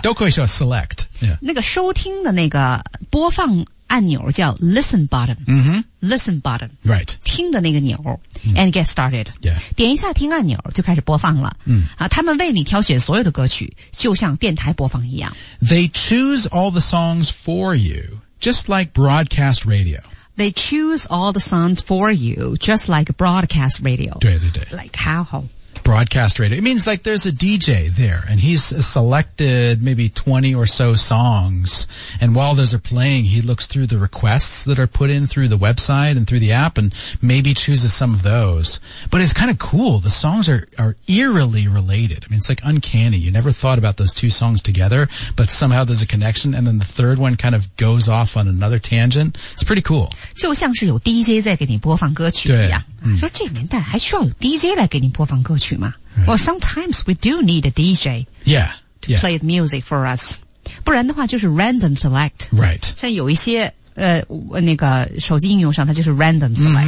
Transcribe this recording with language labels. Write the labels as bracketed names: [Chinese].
[Chinese] 都可以说 select、yeah.。那个收听的那个播放按钮叫 [English] listen button,、 [Chinese] listen button, [English] right, [Chinese] 听的那个钮、 [English] and get started,、 yeah. [Chinese] 点一下听按钮就开始播放了、他们为你挑选所有的歌曲就像电台播放一样。 [English] They choose all the songs for you, just like broadcast radio. They choose all the songs for you, just like broadcast radio. 对。 Like how? Broadcast radio. It means like there's a DJ there and he's selected maybe 20 or so songs. And while those are playing, he looks through the requests that are put in through the website and through the app and maybe chooses some of those. But it's kind of cool. The songs are eerily related. I mean, it's like uncanny. You never thought about those two songs together, but somehow there's a connection. And then the third one kind of goes off on another tangent. It's pretty cool. [Chinese] 就像是有 DJ 在给你播放歌曲一样。说这年代还需要有 DJ 来给您播放歌曲吗？ [English] Right. Well, sometimes we do need a DJ yeah, to yeah. play the music for us. [Chinese] 不然的话就是 [English] random select. Right. [Chinese] 像有一些那个手机应用上它就是 random select.